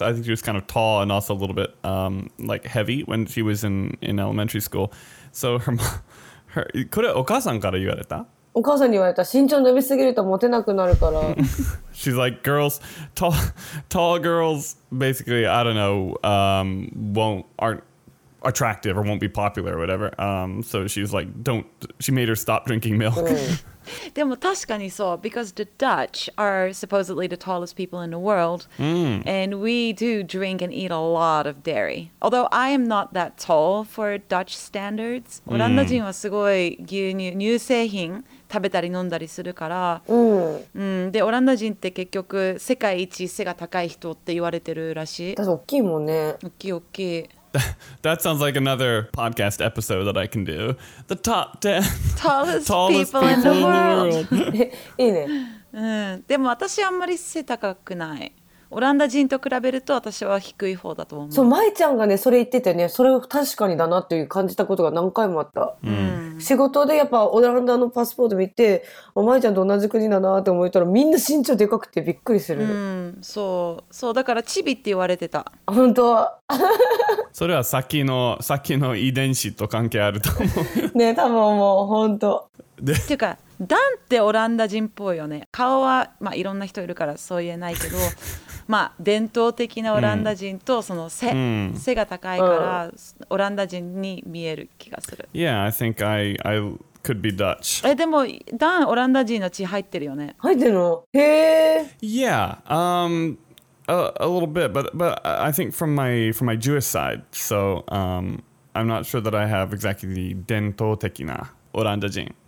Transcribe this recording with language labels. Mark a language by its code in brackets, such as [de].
[en] I think she was kind of tall and also a little bit like heavy when she was in elementary school. So her mom [ja] これはお母さんから言われた？お母さんに言われた。身長伸びすぎるとモテなくなるから。 [en] She's like, girls, tall girls, basically, I don't know, aren't attractive or won't be popular or whatever. So she's like, she made her stop drinking milk. [ja] でも確かにそう。 [en] Because the Dutch are supposedly the tallest people in the world. And we do drink and eat a lot of dairy. Although I am not that tall for Dutch standards. [ja] オランダ人はすごい牛乳、乳製品食べたり飲んだりするから。で、オランダ人って結局世界一背が高い人って言われてるらしい。だって大きいもんね。大きい大きい。 [en] That sounds like another podcast episode that I can do. The top 10 tallest people in the world. [ja] いいね。でも私あんまり背高くない。オランダ人と比べると私は低い方だと思う。そう、まいちゃんがね、それ言っててね、それを確かにだなっていう感じたことが何回もあった。仕事でやっぱオランダのパスポート見て、まいちゃんと同じ国だなって思ったら、みんな身長でかくてびっくりする。そう、そう、だからチビって言われてた。本当は。それは先の遺伝子と関係あると思う。ね、多分もう本当。っていうか、ダンってオランダ人っぽいよね。顔は、まあ、いろんな人いるからそう言えないけど、まあ伝統的なオランダ人と、その背が高いからオランダ人に見える気がする。 [en] Yeah, I think I could be Dutch. [ja] でもダンオランダ人の血入ってるよね。入ってるの？へえ。 [en] Yeah, a little bit, but I think from my Jewish side, so I'm not sure that I have exactly the [ja] 伝統的なオランダ人。